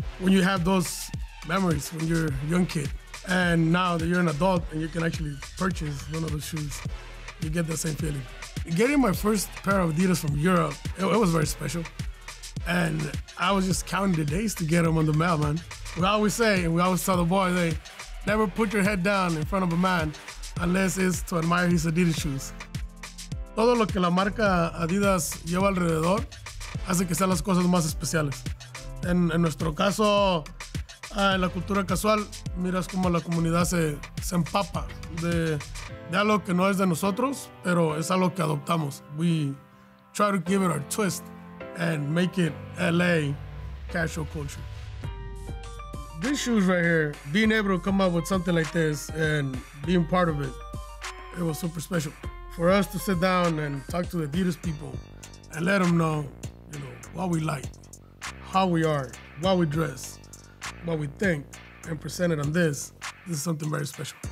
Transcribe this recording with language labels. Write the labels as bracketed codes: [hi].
[en] When you have those memories when you're a young kid, and now that you're an adult and you can actually purchase one of those shoes, you get the same feeling. Getting my first pair of Adidas from Europe, it was very special. And I was just counting the days to get them on the mail, man. We always say, and we always tell the boys, hey, never put your head down in front of a man unless it's to admire his Adidas shoes. [es] Todo lo que la marca Adidas lleva alrededor hace que sean las cosas más especiales. En nuestro caso, en la cultura casual, miras cómo la comunidad se empapa de algo que no es de nosotros, pero es algo que adoptamos. [en] We try to give it our twist and make it LA casual culture. These shoes right here, being able to come up with something like this and being part of it, it was super special. For us to sit down and talk to the Adidas people and let them know, you know, what we like, how we are, what we dress, what we think, and present it on this, this is something very special.